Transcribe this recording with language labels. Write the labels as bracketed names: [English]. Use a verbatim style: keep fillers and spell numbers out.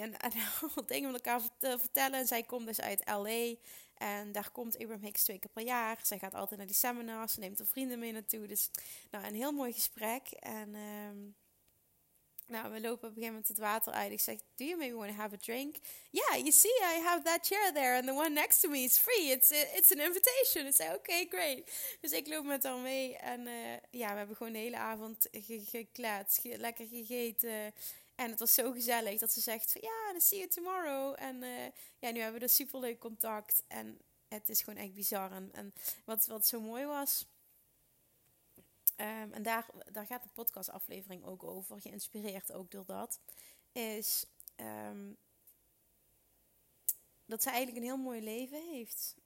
[Dutch] En, en wat dingen met elkaar vertellen. En zij komt dus uit L A. En daar komt Abraham Hicks twee keer per jaar. Zij gaat altijd naar die seminars. Ze neemt haar vrienden mee naartoe. Dus nou, een heel mooi gesprek. En um, nou, we lopen op een gegeven moment het water uit. Ik zeg, [English] do you maybe want to have a drink? Yeah, you see, I have that chair there. And the one next to me is free. It's, it's an invitation. [Dutch] Ik zei, oké, okay, great. Dus ik loop met haar mee. En uh, ja, we hebben gewoon de hele avond gekletst. Ge- lekker gegeten. En het was zo gezellig dat ze zegt van, ja, dan [English] see you tomorrow. [Dutch] En uh, ja, nu hebben we dus superleuk contact. En het is gewoon echt bizar. En, en wat, wat zo mooi was, um, en daar, daar gaat de podcastaflevering ook over, geïnspireerd ook door dat, is um, dat ze eigenlijk een heel mooi leven heeft.